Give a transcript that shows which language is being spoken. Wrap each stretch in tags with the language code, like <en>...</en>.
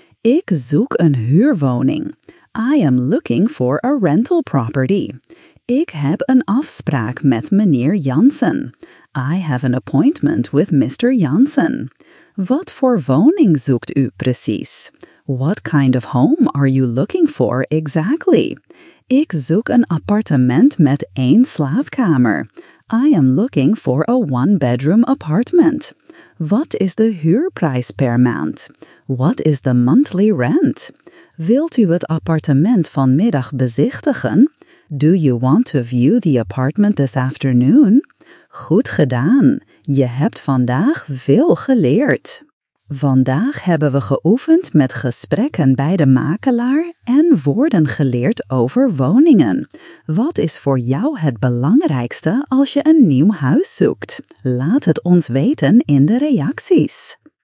<nl>Ik zoek een huurwoning.</nl> <en>I am looking for a rental property.</en> <nl>Ik heb een afspraak met meneer Jansen.</nl> <en>I have an appointment with Mr. Jansen.</en> <nl>Wat voor woning zoekt u precies?</nl> <en>What kind of home are you looking for exactly?</en> <nl>Ik zoek een appartement met één slaapkamer.</nl> <en>I am looking for a one-bedroom apartment.</en> <nl>Wat is de huurprijs per maand?</nl> <en>What is the monthly rent?</en> <nl>Wilt u het appartement vanmiddag bezichtigen?</nl> <en>Do you want to view the apartment this afternoon?</en> <nl>Goed gedaan! Je hebt vandaag veel geleerd. Vandaag hebben we geoefend met gesprekken bij de makelaar en woorden geleerd over woningen. Wat is voor jou het belangrijkste als je een nieuw huis zoekt? Laat het ons weten in de reacties.</nl>